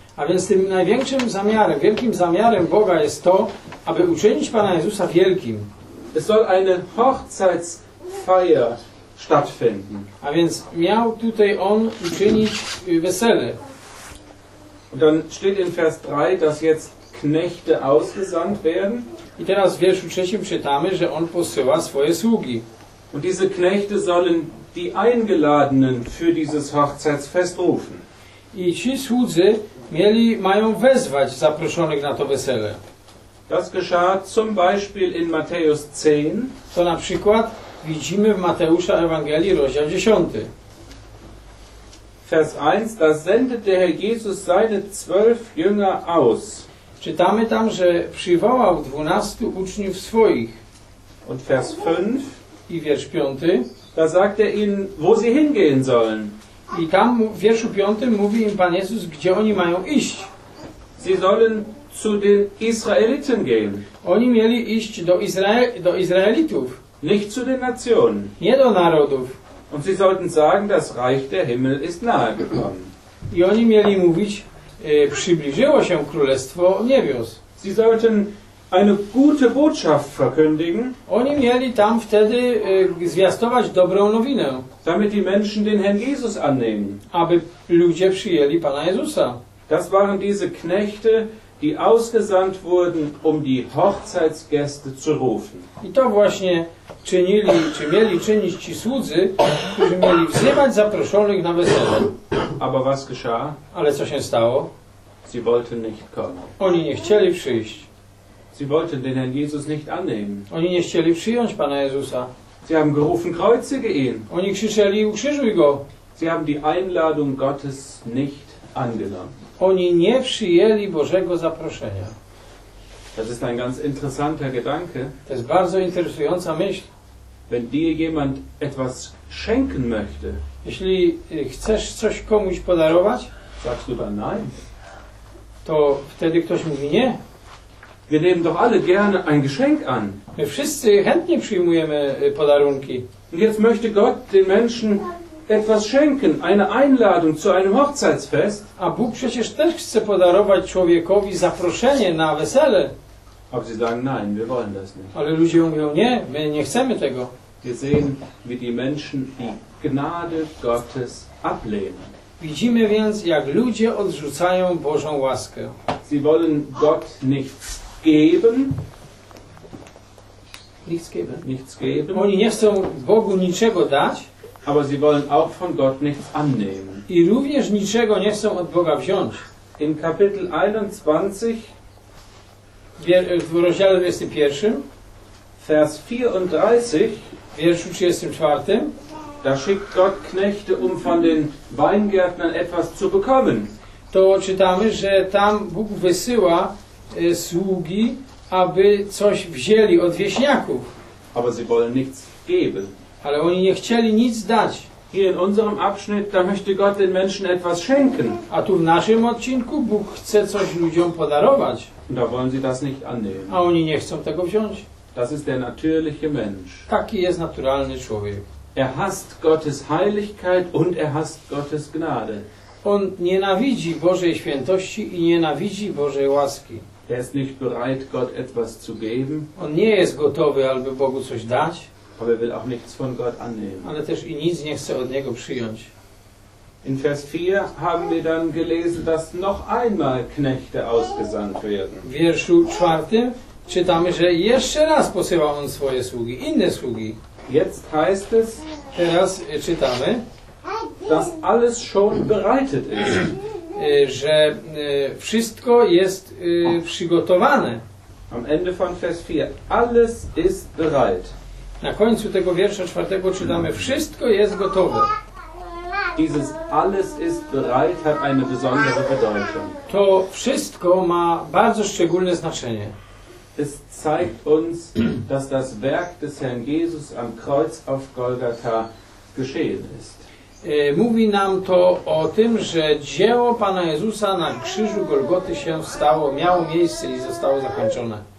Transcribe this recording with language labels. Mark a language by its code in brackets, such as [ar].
[pl] A więc tym największym zamiarem, wielkim zamiarem Boga jest to, aby uczynić Pana Jezusa wielkim. [de] Es soll eine Hochzeitsfeier stattfinden. [pl] A więc miał tutaj on uczynić wesele. [de] Und dann steht in Vers 3, dass jetzt Knechte ausgesandt werden. [pl] I teraz w wierszu trzecim czytamy, że on posyła swoje sługi. [de] Und diese Knechte sollen die Eingeladenen für dieses Hochzeitsfest rufen. [pl] I ci słudzy mają wezwać zaproszonych na to wesele. [de] Das geschah zum Beispiel in Matthäus 10. [pl] To na przykład widzimy w Mateusza Ewangelii, rozdział 10. [de] Vers 1, da sendet der Herr Jesus seine 12 Jünger aus. [pl] Czytamy tam, że przywołał 12 uczniów swoich. [de] Und Vers 5, [pl] i wiersz 5, [de] da sagt er ihnen, wo sie hingehen sollen. [pl] I tam w wierszu 5 mówi im Pan Jezus, gdzie oni mają iść. [de] Sie sollen zu den Israeliten gehen. [pl] Oni mieli iść do Izraelitów. [de] Nicht zu den Nationen. [pl] Nie do narodów. [de] Und sie sollten sagen, das Reich der Himmel ist nahe gekommen. [pl] I oni mieli mówić, przybliżyło się Królestwo Niebios. [de] Sie sollten eine gute Botschaft verkündigen. [pl] Oni mieli tam wtedy zwiastować dobrą nowinę. [de] Damit die Menschen den Herrn Jesus annehmen. [pl] Aby ludzie przyjęli Pana Jezusa. [de] Das waren diese Knechte, die ausgesandt wurden, um die Hochzeitsgäste zu rufen. [pl] I to właśnie czynili, czy mieli czynić ci słudzy, którzy mieli wzywać zaproszonych na wesele. [de] Aber was geschah? [pl] Ale co się stało? [de] Sie wollten nicht kommen. [pl] Oni nie chcieli przyjść. [de] Sie wollten den Herrn Jesus nicht annehmen. [pl] Oni nie chcieli przyjąć Pana Jezusa. [de] Sie haben gerufen, kreuzige ihn. [pl] Oni krzyczeli, ukrzyżuj go. [de] Sie haben die Einladung Gottes nicht angenommen. [pl] Oni nie przyjęli Bożego zaproszenia. [de] Das ist ein ganz interessanter Gedanke. [pl] To jest bardzo interesująca myśl. [de] Wenn dir jemand etwas schenken möchte, [pl] jeśli chcesz coś komuś podarować, [de] sagst du dann nein. [pl] To wtedy ktoś mówi nie. [de] Wir nehmen doch alle gerne ein Geschenk an. [pl] My wszyscy chętnie przyjmujemy podarunki. [de] Und jetzt möchte Gott den Menschen etwas schenken, eine Einladung zu einem Hochzeitsfest. [pl] A Bóg przecież też chce podarować człowiekowi zaproszenie na wesele. [de] Aber sie sagen, nein, wir wollen das nicht. [pl] Ale ludzie mówią, nie, my nie chcemy tego. [de] Wir sehen, wie die Menschen die Gnade Gottes ablehnen. [pl] Widzimy więc, jak ludzie odrzucają Bożą łaskę. [de] Sie wollen Gott nichts geben. Nichts geben. Nichts geben. [pl] Oni nie chcą Bogu niczego dać. [de] Aber sie wollen auch von Gott nichts annehmen. [pl] I również niczego nie chcą od Boga wziąć. [de] In Kapitel 21, [pl] w rozdziale 21, [de] Vers 34, [pl] w wierszu 34, [de] da schickt Gott Knechte, um von den Weingärtnern etwas zu bekommen. [pl] To czytamy, że tam Bóg wysyła sługi, aby coś wzięli od wieśniaków. [de] Aber sie wollen nichts geben. [pl] Ale oni nie chcieli nic dać. [de] Hier in unserem Abschnitt, da möchte Gott den Menschen etwas schenken. [pl] A tu w naszym odcinku Bóg chce coś ludziom podarować. [de] Und da wollen sie das nicht annehmen. [pl] A oni nie chcą tego wziąć. [de] Das ist der natürliche Mensch. [pl] Taki jest naturalny człowiek. [de] Er hasst Gottes Heiligkeit und er hasst Gottes Gnade. [pl] On nienawidzi Bożej świętości i nienawidzi Bożej łaski. [de] Er ist nicht bereit, Gott etwas zu geben. [pl] On nie jest gotowy, aby Bogu coś dać. [de] Aber er will auch nichts von Gott annehmen. [pl] Ale też i nic nie chce od Niego przyjąć. [de] In Vers 4 haben wir dann gelesen, dass noch einmal Knechte ausgesandt werden. [pl] W wierszu czwartym czytamy, że jeszcze raz posyła on swoje sługi, inne sługi. [de] Jetzt heißt es, [pl] teraz czytamy, [de] dass alles schon bereitet ist. [pl] Że wszystko jest przygotowane. [de] Am Ende von Vers 4, alles ist bereit. [pl] Na końcu tego wiersza czwartego czytamy, wszystko jest gotowe. [de] Dieses alles ist bereit hat eine besondere Bedeutung. [pl] To wszystko ma bardzo szczególne znaczenie. [de] Es zeigt uns, dass das Werk des Herrn Jesus am Kreuz auf Golgatha geschehen ist. [pl] Mówi nam to o tym, że dzieło Pana Jezusa na krzyżu Golgoty się stało, miało miejsce i zostało zakończone.